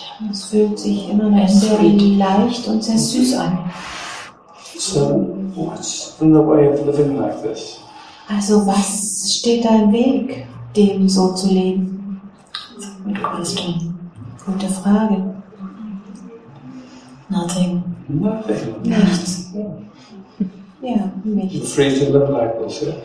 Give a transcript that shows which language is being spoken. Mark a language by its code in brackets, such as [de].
[de] es fühlt sich immer noch sehr leicht und sehr süß an. [en] So, what's in the way of living like this? [de] Also, was steht da im Weg, dem so zu leben? [en] Good question. [de] Gute Frage. [en] Nothing. Nothing. [de] Nichts. Ja, nichts. [en] You're free to live like this, yeah?